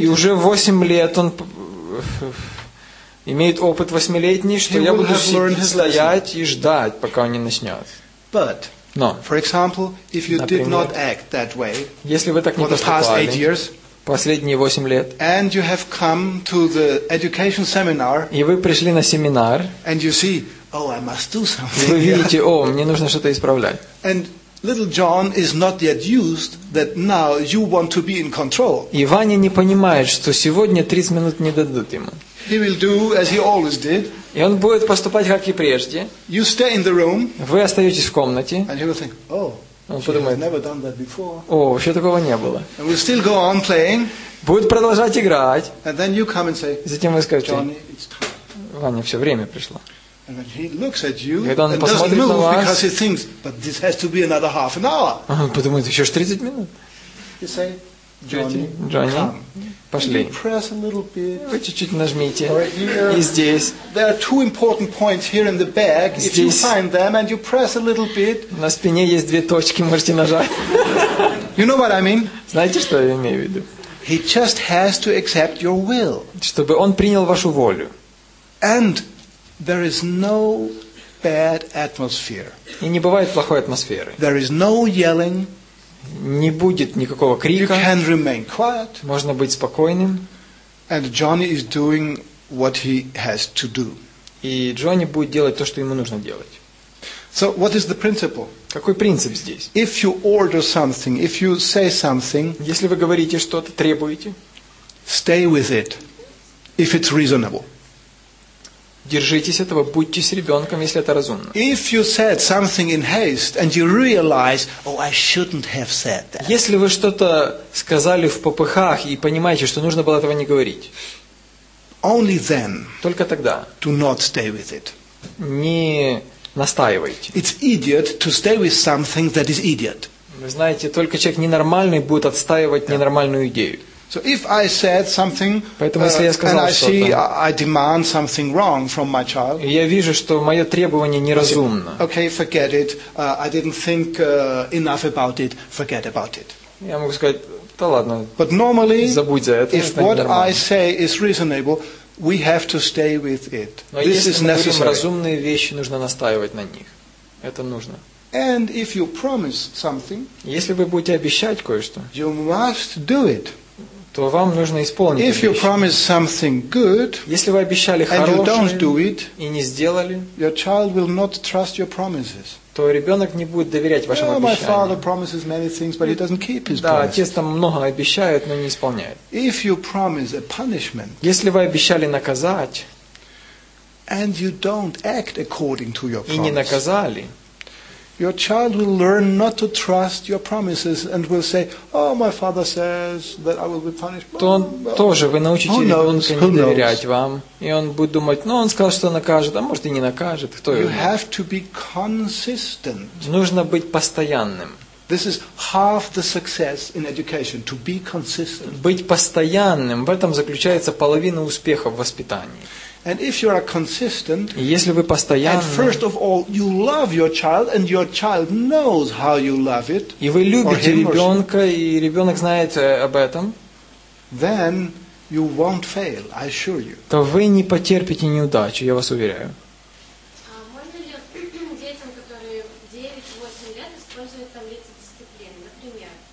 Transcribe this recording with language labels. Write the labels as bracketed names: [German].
[Russian] И уже 8 лет он имеет опыт 8-летний, что я буду сидеть, стоять и ждать, пока он не начнет. [English] But, [Russian] но, [English] for example, if you [Russian] например, [English] did not act that way, [Russian] если вы так не поступали, последние 8 лет. [English] And you have come to the education seminar, [Russian] и вы пришли на семинар. [English] And you see, oh, I must do something. [Russian] И вы видите, о, мне нужно что-то исправлять. [English] And little John is not yet used that now you want to be in control. [Russian] И Ваня не понимает, что сегодня 30 минут не дадут ему. [English] He will do as he always did. [Russian] И он будет поступать, как и прежде. [English] You stay in the room. [Russian] Вы остаетесь в комнате. [English] And he will think, oh. [Russian] Он подумает, [English] never done that before. [Russian] О, вообще такого не было. [English] And we'll still go on playing. [Russian] Будет продолжать играть. [English] And then you come and say, [Russian] затем вы скажете, [English] Johnny, it's time. [Russian] Ваня, все, время пришло. [English] And then he looks at you, [Russian] когда он [English] and [Russian] посмотрит [English] doesn't move [Russian] на вас, [English] because he thinks, but this has to be another half an hour. [Russian] Он подумает, еще ж 30 минут. [English] You say, Johnny, come. [Russian] Пошли. [English] And you press a little bit. [Russian] Вы чуть-чуть нажмите. [English] Right [Russian] и здесь. [English] There are two important points here in the back. [Russian] Здесь. [English] If you find them and you press a little bit. [Russian] На спине есть две точки, можете нажать. [English] You know what I mean? [Russian] Знаете, что я имею в виду? [English] He just has to accept your will. [Russian] Чтобы он принял вашу волю. [English] And there is no bad atmosphere. [Russian] И не бывает плохой атмосферы. [English] There is no yelling. [Russian] Не будет никакого крика. [English] You can remain quiet. [Russian] Можно быть спокойным. [English] And Johnny is doing what he has to do. [Russian] И Джонни будет делать то, что ему нужно делать. [English] So what is the principle? [Russian] Какой принцип здесь? [English] If you order something, if you say something, [Russian] если вы говорите что-то, требуете, [English] stay with it, if it's reasonable. [Russian] Держитесь этого, будьте с ребенком, если это разумно. [English] If you said something in haste and you realize, oh, I shouldn't have said that. [Russian] Если вы что-то сказали в попыхах и понимаете, что нужно было этого не говорить. [English] Only then. [Russian] Только тогда. [English] Do not stay with it. [Russian] Не настаивайте. [English] It's idiot to stay with something that is idiot. [Russian] Вы знаете, только человек ненормальный будет отстаивать ненормальную идею. [English] So if I said something, [Russian] поэтому, если я сказал [English] and I see I demand something wrong from my child, [Russian] я вижу, что мое требование неразумно. [English] Okay, forget it. I didn't think enough about it. Forget about it. [Russian] Я могу сказать, да ладно. [English] But normally, [Russian] забудь за это, [English] if what I say is reasonable, we have to stay with it. [Russian] Но [English] this is necessary. [Russian] Если мы говорим разумные вещи, нужно настаивать на них. Это нужно. [English] And if you promise something, [Russian] если вы будете обещать кое-что, [English] you must do it. [Russian] То вам нужно исполнить. [English] If you promise something good, [Russian] если вы обещали хорошее и не сделали, [English] your child will not trust your promises. [Russian] То ребенок не будет доверять вашим обещаниям. [English] My father promises many things, but he doesn't keep his promises. [Russian] Да, отец там много обещает, но не исполняет. [English] If you promise a punishment, [Russian] если вы обещали наказать, [English] and you don't act according to your promise, [Russian] и не наказали, [English] your child will learn not to trust your promises and will say, oh, my father says that I will be punished. [Russian] То он тоже, вы научите ребенка не доверять вам. И он будет думать, ну, он сказал, что накажет, а может и не накажет. Кто его? [English] You have to be consistent. [Russian] Нужно быть постоянным. [English] This is half the success in education, to be consistent. [Russian] Быть постоянным, в этом заключается половина успеха в воспитании. [English] And if you are consistent, [Russian] если вы постоянны, [English] and first of all, you love your child, and your child knows how you love it, [Russian] и вы любите ребенка, и ребенок знает об этом, [English] then you won't fail, I assure you. [Russian] То вы не потерпите неудачу, я вас уверяю. Можно ли детям, которые 9-8 лет, использовать таблицы дисциплины? Например,